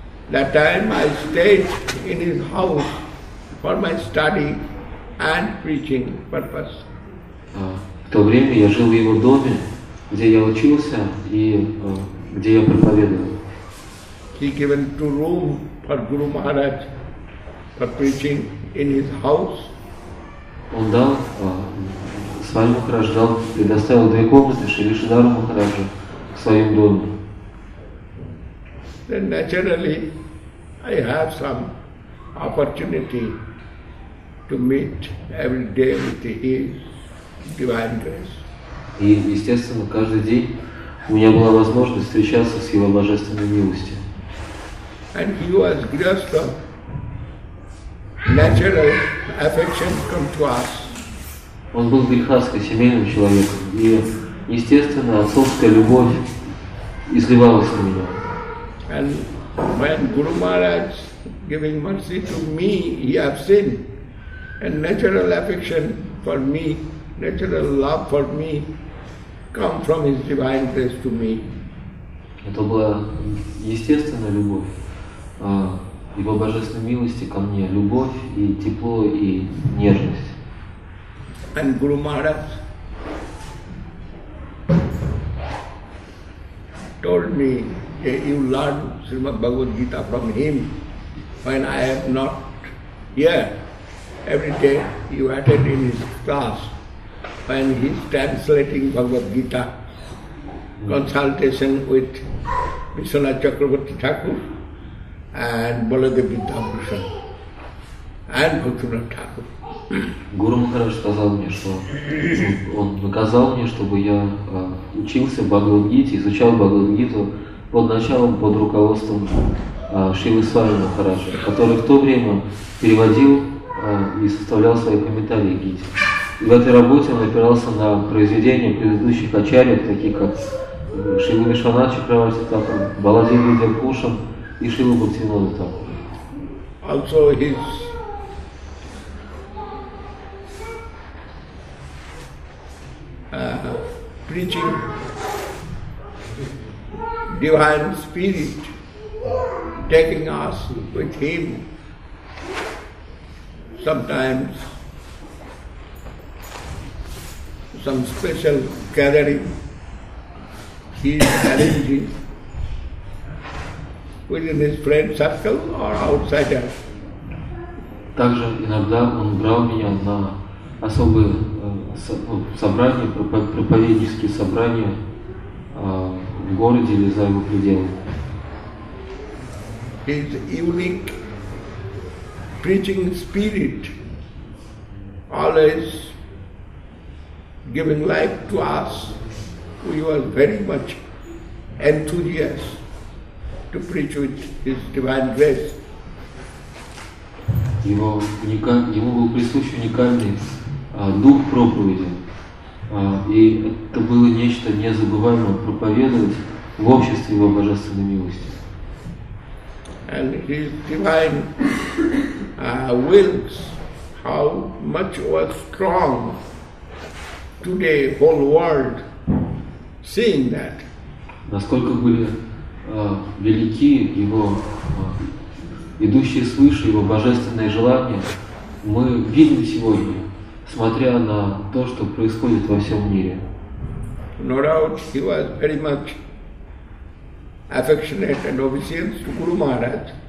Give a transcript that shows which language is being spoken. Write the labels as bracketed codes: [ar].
[en] That time I stayed in his house for my study and preaching purpose. [ru] В то время я жил в его доме, где я учился и где я проповедовал. [en] He given two rooms for Guru Maharaj for preaching in his house. [ru] Он дал Свами Махарадж предоставил две комнаты Шри Шридхара Махараджа в своем доме. [en] Then naturally I have some opportunity to meet every day with his divine grace. [ru] И естественно каждый день у меня была возможность встречаться с его божественной милостью. [en] And he was grasped of natural affection come to us. [ru] Он был грехастый семейным человеком, и естественно отцовская любовь изливалась на него. [en] And when Guru Maharaj giving mercy to me, he have seen and natural affection for me, natural love for me come from his divine grace to me. [ru] Это была естественная любовь. Его божественной милости ко мне, любовь и тепло и нежность. [en] And Guru Maharaj told me that you learn Srimad Bhagavad Gita from him when I am not here. Every day you attend in his class when he is translating Bhagavad Gita, consultation with Vishwanath Chakravarti Thakur. And Baladev Vidyabhushan and Bhaktivinoda Thakur. [ru] Guru Maharaj сказал мне, что он наказал мне, чтобы я учился Бхагавад Гите, изучал Бхагавад Гиту под началом, под руководством Шрилы Свами Махараджа, который в то время переводил и составлял свои комментарии Гите. И в этой работе он опирался на произведения предыдущих ачарьев, таких как Шрила Вишванатха Чакраварти Тхакур, Баладев Видьябхушан. И Шрила Бхактивинода Тхакур. [en] Also his preaching divine spirit taking us with him sometimes some special gathering he is arranging within his friend circle or outside. [ru] Также иногда он брал меня на особые собрания, проповеднические собрания в городе или за его пределами. [en] His unique preaching spirit always giving life to us. We were very much enthusiastic to preach with his divine grace. [ru] Его ему был присущ уникальный дух проповеди, и это было нечто незабываемое проповедовать в обществе его божественной милости. [en] And his divine wills, how much was strong today whole world seeing that. [ru] Насколько были велики его идущие свыше его божественные желания, мы видим сегодня, смотря на то, что происходит во всем мире. [en] No doubt he was very much affectionate and obedient to Guru Maharaj.